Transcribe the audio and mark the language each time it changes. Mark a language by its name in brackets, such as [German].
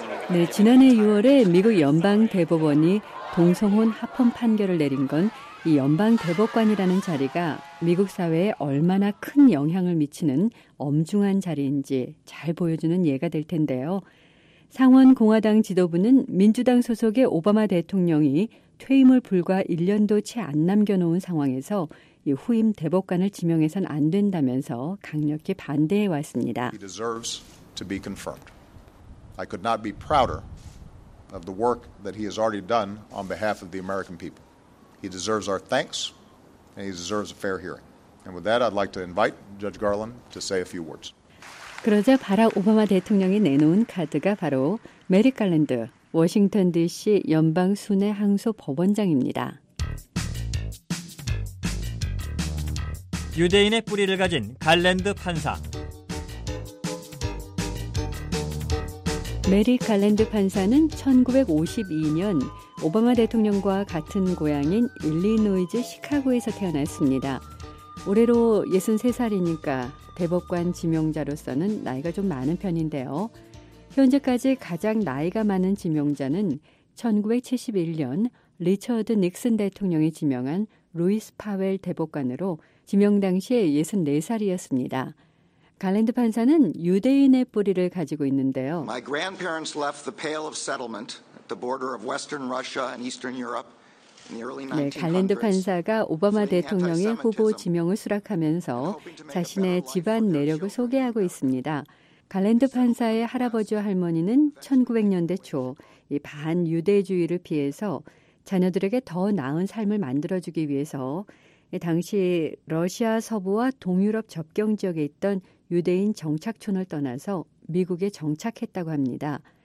[Korean] 네, 지난해 6월에 미국 연방 대법원이 동성혼 합헌 판결을 내린 건 이 연방 대법관이라는 자리가 미국 사회에 얼마나 큰 영향을 미치는 엄중한 자리인지 잘 보여주는 예가 될 텐데요. 상원 공화당 지도부는 민주당 소속의 오바마 대통령이 퇴임을 불과 1년도 채 안 남겨놓은 상황에서 이 후임 대법관을 지명해선 안 된다면서 강력히 반대해 왔습니다. [English] He deserves to be confirmed. I could not be prouder of the work that he has already done on behalf of the American people. He deserves our thanks and he deserves a fair hearing. And with that, I'd like to invite Judge Garland to say a few words. [Korean] 그러자 바락 오바마 대통령이 내놓은 카드가 바로 메릭 갈랜드, 워싱턴 DC 연방 순회 항소 법원장입니다. 유대인의 뿌리를 가진 갈랜드 판사. 메릭 갈랜드 판사는 1952년 오바마 대통령과 같은 고향인 일리노이즈 시카고에서 태어났습니다. 올해로 63살이니까 대법관 지명자로서는 나이가 좀 많은 편인데요. 현재까지 가장 나이가 많은 지명자는 1971년 리처드 닉슨 대통령이 지명한 루이스 파웰 대법관으로 지명 당시에 64살이었습니다. 갈랜드 판사는 유대인의 뿌리를 가지고 있는데요. [English] My grandparents left the Pale of Settlement at the border of Western Russia and Eastern Europe. [Korean] 네, 갈랜드 판사가 오바마 대통령의 후보 지명을 수락하면서 자신의 집안 내력을 소개하고 있습니다. 갈랜드 판사의 할아버지와 할머니는 1900년대 초 이 반유대주의를 피해서 자녀들에게 더 나은 삶을 만들어주기 위해서 당시 러시아 서부와 동유럽 접경 지역에 있던 유대인 정착촌을 떠나서 미국에 정착했다고 합니다.